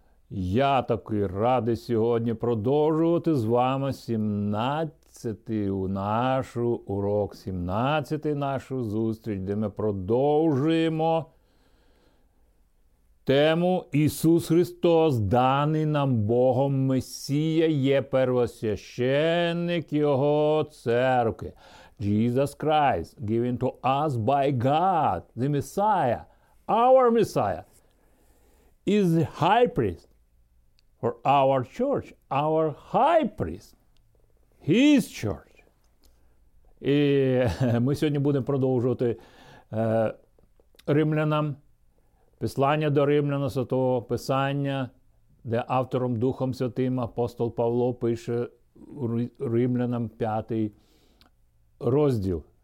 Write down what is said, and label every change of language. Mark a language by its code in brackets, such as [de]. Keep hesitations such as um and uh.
[uk] Я такий радий сьогодні продовжувати з вами 17 у нашу урок, 17-й нашу зустріч, де ми продовжуємо тему Ісус Христос, даний нам Богом Месія, є первосвященник Його церкви. [en] Jesus Christ, given to us by God, the Messiah. Our Messiah is the High Priest for our Church. Our high priest. His church. [uk] І ми сьогодні будемо продовжувати е, римлянам послання до римляна Святого Писання, де Автором Духом Святим Апостол Павло пише римлянам п'ятий розділ.